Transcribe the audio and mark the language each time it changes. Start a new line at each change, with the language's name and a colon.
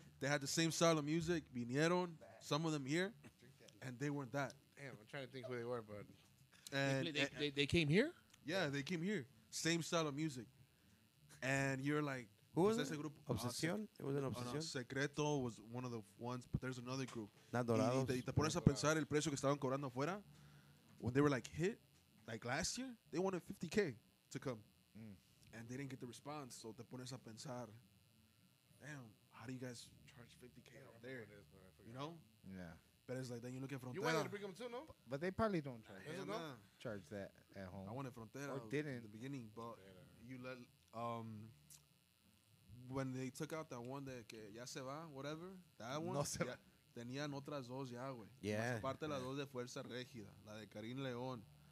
English: They had the same style of music,
Spanish: vinieron,
English: some of them here, and they weren't that. Damn, I'm trying to think who they were, but... They came here? Yeah, they came here. Same style of music. And you're like... Who was it? Grupo? Obsesión? It was an Obsesión? Oh, no, Secreto was one of the ones, but there's another group. Not Dorados.
Spanish: Y te pones a pensar el precio que estaban cobrando afuera.
English: When they were like hit, like last year, they wanted $50K to come. Mm. And they didn't get the response, so
Spanish: te pones a pensar,
English: damn... How do you guys charge $50K out there? You know? Yeah. But it's like, then you look at Frontera. You wanted to bring them too, no? But they probably don't charge that at home. I wanted Frontera. Or didn't. In the beginning, but Frontera. You let, when they took out that one that
Spanish: que ya se va,
English: whatever, that one,
Spanish: no se va. Tenían otras dos ya, güey.
English: Yeah.
Spanish: Más aparte las dos de Fuerza Régida, la de Karim León.